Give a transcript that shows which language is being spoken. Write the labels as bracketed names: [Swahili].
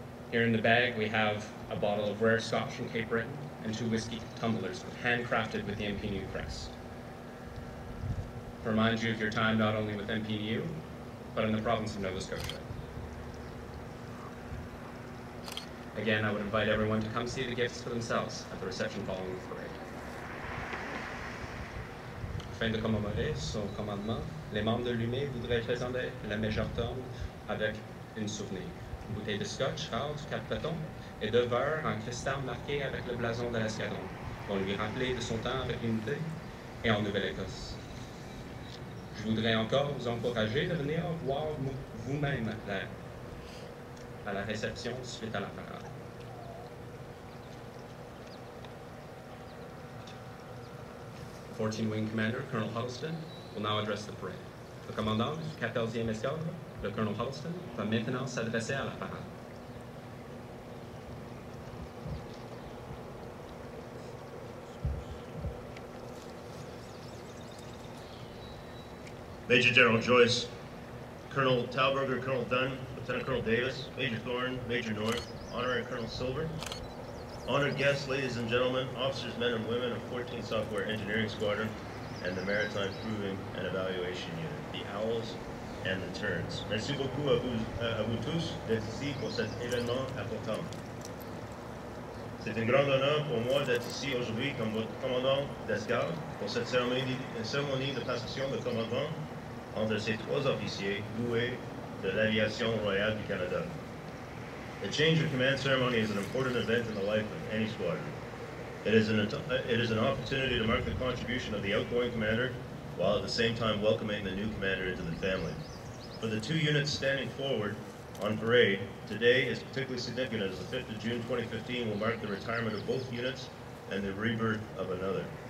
[English] Here in the bag, we have a bottle of rare Scotch from Cape Breton and two whiskey tumblers handcrafted with the MPNU crest. Remind you of your time not only with MPU, but in the province of Nova Scotia. Again, I would invite everyone to come see the gifts for themselves at the reception following the parade. [French] Afin de commémorer son commandement, les membres de l'UME voudraient présenter le majordome avec une souvenir. Une bouteille de scotch rare du Cap-Breton et deux verres en cristal marqué avec le blason de l'escadron pour lui rappeler de son temps avec l'unité et en Nouvelle-Écosse. Je voudrais encore vous encourager de venir voir vous-même à la réception suite à la parade. [English] The 14 Wing Commander, Colonel Huddleston, will now address the parade. [French] Le commandant du 14e escadre, le Colonel Huddleston, va maintenant s'adresser à la parade. [English] Major General Joyce, Colonel Talberger, Colonel Dunn, Lieutenant Colonel Davis, Major Thorne, Major North, Honorary Colonel Silver, honored guests, ladies and gentlemen, officers, men and women of 14th Software Engineering Squadron and the Maritime Proving and Evaluation Unit, the Owls and the Terns. [French] Merci beaucoup à vous tous d'être ici pour cet événement important. C'est un grand honneur pour moi d'être ici aujourd'hui comme votre commandant d'escadre pour cette cérémonie de passation de commandement entre ces trois officiers loués de l'Aviation Royale du Canada. [English] A change of command ceremony is an important event in the life of any squadron. It is an opportunity to mark the contribution of the outgoing commander while at the same time welcoming the new commander into the family. For the two units standing forward on parade, today is particularly significant as the 5th of June 2015 will mark the retirement of both units and the rebirth of another.